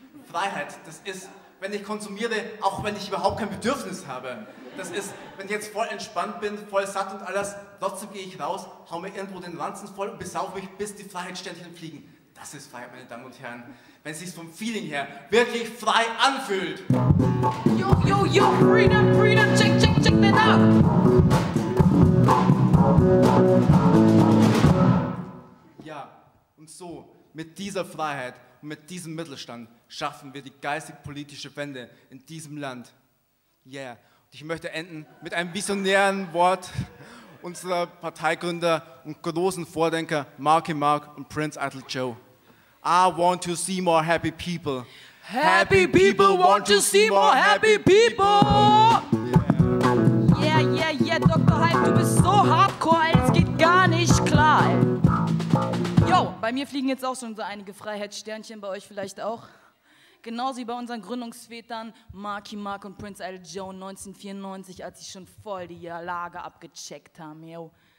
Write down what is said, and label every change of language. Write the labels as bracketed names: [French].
[German] Freiheit, das ist, wenn ich konsumiere, auch wenn ich überhaupt kein Bedürfnis habe. Das ist, wenn ich jetzt voll entspannt bin, voll satt und alles, trotzdem gehe ich raus, hau mir irgendwo den Ranzen voll und besaufe mich, bis die Freiheitsständchen fliegen. Das ist Freiheit, meine Damen und Herren. Wenn es sich vom Feeling her wirklich frei anfühlt. [English] Yo, yo, yo, freedom, freedom, check, check, check that out. [German] Ja, und so, mit dieser Freiheit und mit diesem Mittelstand schaffen wir die geistig-politische Wende in diesem Land. Yeah. Ich möchte enden mit einem visionären Wort unserer Parteigründer und großen Vordenker Marki Mark und Prince Idle Joe. [English] I want to see more happy people. Happy people want to see more happy people. Yeah, yeah, yeah, Dr. [German] Hype, du bist so hardcore, es geht gar nicht klar. Yo, bei mir fliegen jetzt auch schon so einige Freiheitssternchen, bei euch vielleicht auch. Genauso wie bei unseren Gründungsvätern Marki Mark und Prince Idle Joe 1994, als sie schon voll die Lage abgecheckt haben. Yo.